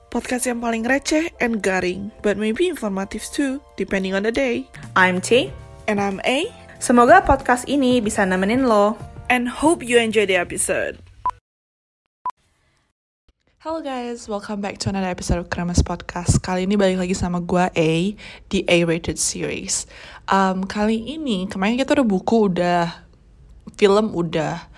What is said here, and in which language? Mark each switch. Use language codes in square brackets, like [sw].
[en] Podcast [id] yang paling receh [en] and garing, but maybe informative too, depending on the day. I'm T. And I'm A. [id] Semoga podcast ini bisa nemenin lo. [en] And hope you enjoy the episode. Hello guys, welcome back to another episode of Kremes Podcast. [id] Kali ini balik lagi sama gue A, di A-Rated Series. Kali ini, kemarin kita udah buku, udah film, udah.